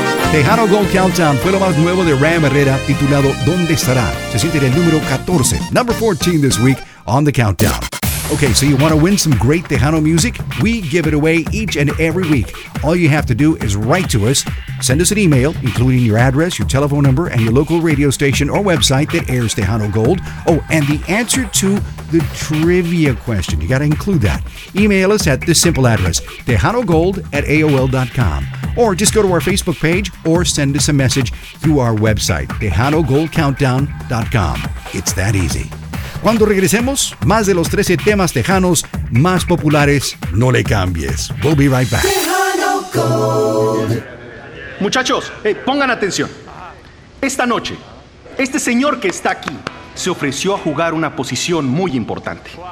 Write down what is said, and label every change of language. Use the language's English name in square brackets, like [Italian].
[Spanish] Tejano Gold Countdown fue lo más nuevo de Ram Herrera, titulado ¿Dónde Estará? Se siente en el número 14, [English] number 14 this week on the countdown. Okay, so you want to win some great Tejano music? We give it away each and every week. All you have to do is write to us, send us an email, including your address, your telephone number, and your local radio station or website that airs Tejano Gold. Oh, and the answer to the trivia question. You got to include that. Email us at this simple address, TejanoGold@AOL.com. Or just go to our Facebook page or send us a message through our website, TejanoGoldCountdown.com. It's that easy. [Spanish] Cuando regresemos, más de los 13 temas tejanos más populares, no le cambies. [English] We'll be right back. Tejano Gold. [Spanish] Muchachos, hey, pongan atención. Esta noche, este señor que está aquí se ofreció a jugar una posición muy importante.